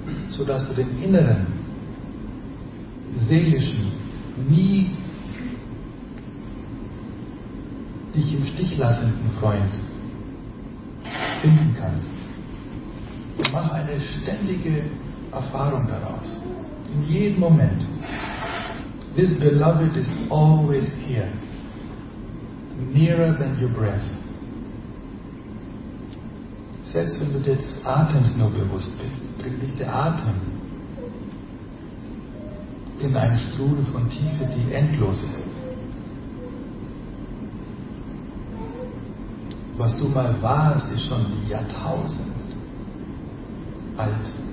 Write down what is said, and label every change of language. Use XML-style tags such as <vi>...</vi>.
<de>sodass du den inneren, seelischen nie dich im Stich lassenden Freund finden kannst. Und mach eine ständige Erfahrung daraus. In jedem Moment.</de> <en>This beloved is always here. Nearer than your breath.</en> <de>Selbst wenn du dir des Atems nur bewusst bist, bringt dich der Atem in einen Strudel von Tiefe, die endlos ist. Was du mal warst, ist schon die Jahrtausende alt.</de>